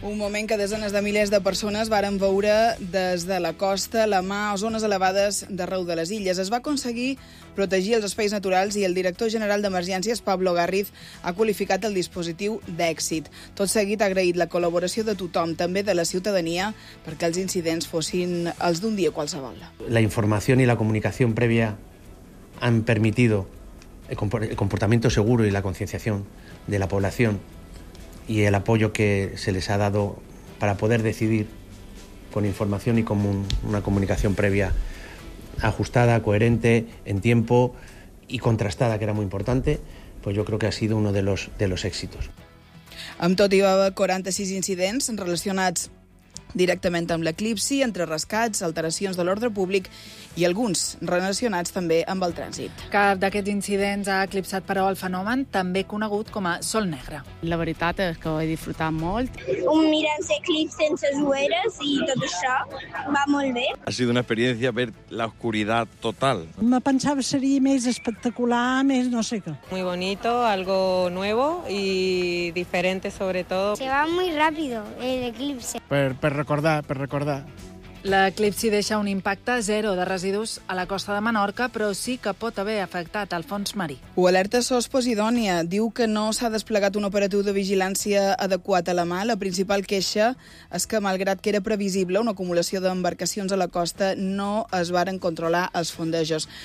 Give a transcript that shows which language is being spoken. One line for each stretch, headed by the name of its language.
Catalan: Un moment que desenes de milers de persones varen veure des de la costa, la mà o zones elevades d'arreu de les illes. Es va aconseguir protegir els espais naturals i el director general d'Emergències, Pablo Garriz, ha qualificat el dispositiu d'èxit. Tot seguit ha agraït la col·laboració de tothom, també de la ciutadania, perquè els incidents fossin els d'un dia qualsevol. La informació i la comunicació prèvia han
Spanish: permitido el comportamiento seguro y la concienciación de la población y el apoyo que se les ha dado para poder decidir con información y con una comunicación previa ajustada, coherente, en tiempo y contrastada, que era muy importante, pues yo creo que ha sido uno de los éxitos.
Catalan: Amb tot, hi va haver 46 incidents relacionats directament amb l'eclipsi, entre rescats, alteracions de l'ordre públic i alguns relacionats també amb el trànsit. Cap d'aquests incidents ha eclipsat, però, el fenomen, també conegut com a sol negre. La veritat és que ho he disfrutat molt. Un mirant l'eclipsi sense ulleres i tot això va molt bé.
Spanish: Ha sido una experiencia ver la oscuridad total.
Catalan: Me pensava seria més espectacular, més no sé què.
Spanish: Muy bonito, algo nuevo y diferente sobre todo. Se va muy rápido el eclipse.
Catalan: Per recordar. L'eclipsi deixa un impacte zero de residus a la costa de Menorca, però sí que pot haver afectat el fons marí. Ho alerta SOS Posidònia. Diu que no s'ha desplegat un operatiu de vigilància adequat a la mà. La principal queixa és que, malgrat que era previsible una acumulació d'embarcacions a la costa, no es varen controlar els fondejos.